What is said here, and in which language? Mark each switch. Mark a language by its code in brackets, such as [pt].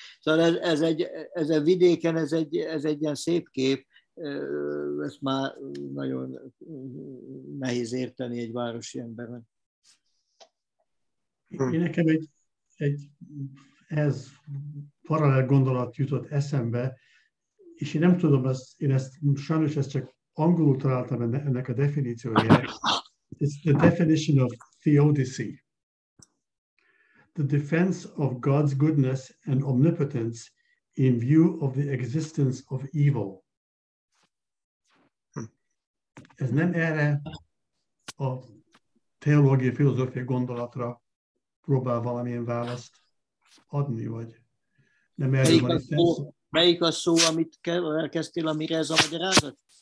[hu] Szóval ez a vidéken, ez egy ilyen szép kép, ezt már nagyon nehéz érteni egy városi embernek. Én nekem egy ez paralel gondolat jutott eszembe, és én nem tudom, ezt csak angolul találtam ennek a definíciójára. [en] It's the definition of theodicy. The defense of God's goodness and omnipotence in view of the existence of evil. [hu] Ez nem erre a teológia, filozófia gondolatra próbál valamilyen választ adni, vagy nem erről van egy szenszor. Melyik a szó, amit elkezdtél, amire ez a magyarázat?